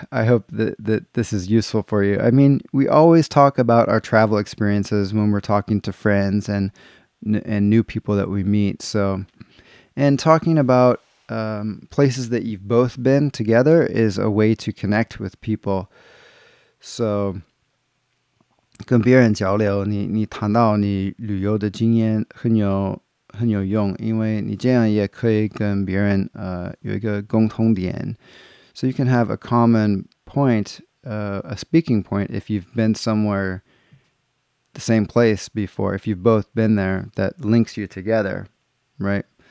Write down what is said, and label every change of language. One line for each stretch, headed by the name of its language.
English: I hope that this is useful for you. I mean, we always talk about our travel experiences when we're talking to friends and new people that we meet. So, and talking about places that you've both been together is a way to connect with people.
Chinese: So, 跟别人交流，你谈到你旅游的经验很有用，因为你这样也可以跟别人有一个共通点。
English: So you can have a common point, a speaking point, if you've been somewhere, the same place before, if you've both been there, that links you together, right?